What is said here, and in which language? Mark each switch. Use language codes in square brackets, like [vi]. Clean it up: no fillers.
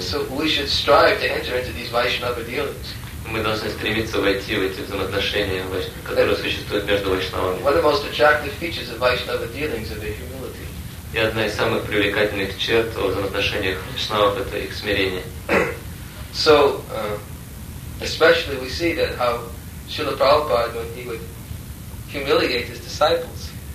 [en] So we should strive to enter into these vaishnava dealings. [ru] Мы должны стремиться войти в эти взаимоотношения, которые существуют между вайшнавами. [en] One of the most attractive features of vaishnava dealings is their humility. [ru] И одна из самых привлекательных черт о взаимоотношениях вайшнавов это их смирение. [en] So especially we see that how Srila Prabhupada when he would humiliate his disciples.